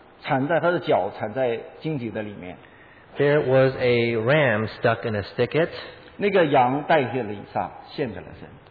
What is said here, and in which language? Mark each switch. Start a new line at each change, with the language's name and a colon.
Chinese: 他有一个代替的羊缠在他的脚，缠在荆棘的里面。
English: There was a ram stuck in a thicket.
Chinese: 那个羊代替了以撒，献给了神。